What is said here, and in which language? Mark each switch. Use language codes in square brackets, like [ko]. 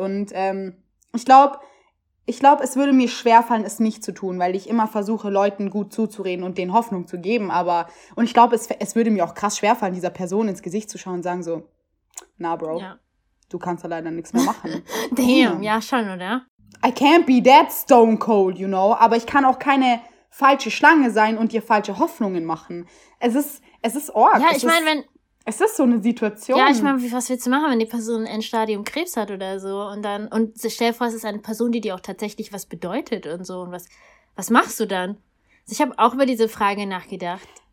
[de] Und ich glaube, es würde mir schwerfallen, es nicht zu tun, weil ich immer versuche, Leuten gut zuzureden und denen Hoffnung zu geben. Aber und ich glaube, es würde mir auch krass schwerfallen, dieser Person ins Gesicht zu schauen und sagen so, na Bro, du kannst da leider nichts mehr machen. Damn, ja schon, oder? [en] I can't be that stone cold, you know. [de] Aber ich kann auch keine falsche Schlange sein und dir falsche Hoffnungen machen. Es ist arg. Ja, ich meine, wenn Es ist so eine Situation. Ja, ich meine, was willst du machen, wenn die Person ein Endstadium Krebs hat oder so? Und dann, und stell vor, es ist eine Person, die dir auch tatsächlich was bedeutet und so. Und was machst du dann? Also ich habe auch über diese Frage nachgedacht.